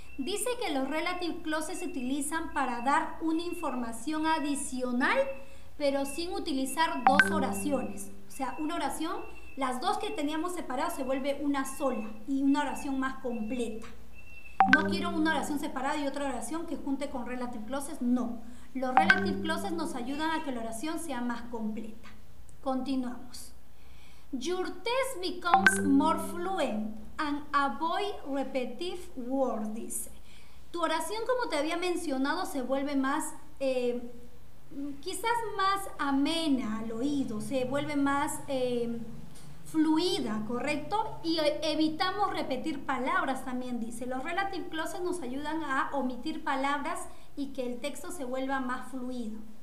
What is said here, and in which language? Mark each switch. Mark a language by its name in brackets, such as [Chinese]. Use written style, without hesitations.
[Spanish] Dice que los relative clauses se utilizan para dar una información adicional, pero sin utilizar dos oraciones. O sea, una oración, las dos que teníamos separadas se vuelve una sola y una oración más completa. No quiero una oración separada y otra oración que junte con relative clauses, no. Los relative clauses nos ayudan a que la oración sea más completa. Continuamos. [English] Your test becomes more fluent and avoid repetitive words, [Spanish] dice. Tu oración, como te había mencionado, se vuelve más, quizás más amena al oído, se vuelve más fluida, ¿correcto? Y evitamos repetir palabras también, dice. Los relative clauses nos ayudan a omitir palabras y que el texto se vuelva más fluido.